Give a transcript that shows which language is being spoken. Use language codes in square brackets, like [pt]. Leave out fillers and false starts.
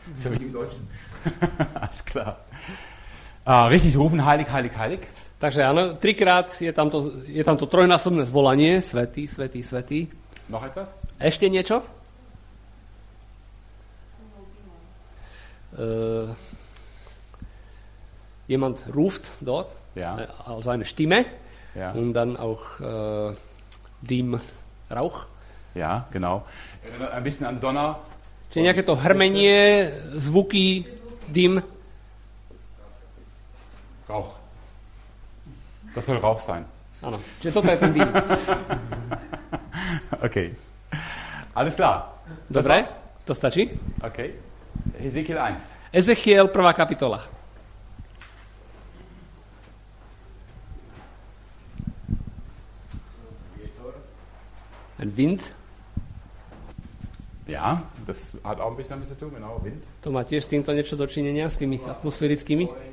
[de] Das habe ich im Deutschen. Alles klar. Ah, richtig, rufen heilig, heilig, heilig. [sk] Takže áno, trikrát je tam to trojnásobné zvolanie, svätý, svätý, svätý. [de] Noch etwas? [sk] Ešte niečo? [de] Jemand ruft dort, ja. Also eine Stimme, ja. Und dann auch dem Rauch. Ja, genau. Ein bisschen an Donner. [sk] Čiže nejaké to hrmenie, zvuky, dym. [de] Rauch. Das soll Rauch sein. [sk] Ano, čiže toto je ten dym. [de] Okay. Alles klar. [sk] Dobre, to stačí. [de] Okay. Ezechiel 1. [sk] Ezechiel, prvá kapitola. [de] Ein Wind. Ja, das hat auch ein bisschen damit zu tun, genau, Wind. [sk] To má tiež týmto niečo dočinenia s tými atmosférickými.